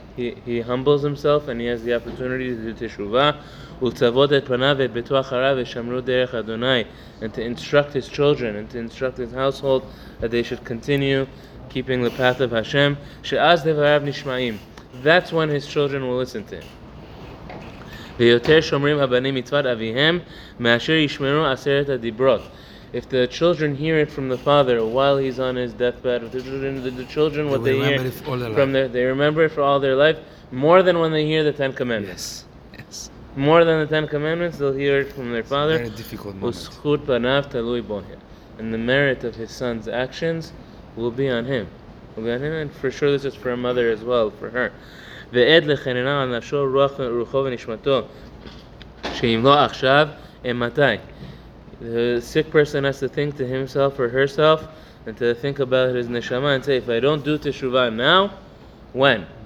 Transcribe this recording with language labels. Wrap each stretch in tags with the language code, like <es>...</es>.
<en>he humbles himself and he has the opportunity to do teshuvah, and to instruct his children and to instruct his household that they should continue keeping the path of Hashem.</en> <he>She'az devarav nishma'im.</he> <en>That's when his children will listen to him.</en> <he>ויותר שומרים הבנים מצוות אביהם מאשר ישמרו עשרת הדיברות.</he> <en>If the children hear it from the father while he's on his deathbed, the children what they hear from their, they remember it for all their life more than when they hear the Ten Commandments. Yes. More than the Ten Commandments, they'll hear it from their father. It's a very difficult moment.</en> <he>וזכות בניו תלוי בו.</he> <en>And the merit of his son's actions will be on him. Will be on him, and for sure this is for a mother as well, for her.</en> <he>ועד לחננה על נפשו רוח רוחו ונשמתו שאם לא עכשיו הם מתי.</he> <en>The sick person has to think to himself or herself and to think about his neshama and say, if I don't do teshuva now, when?</en>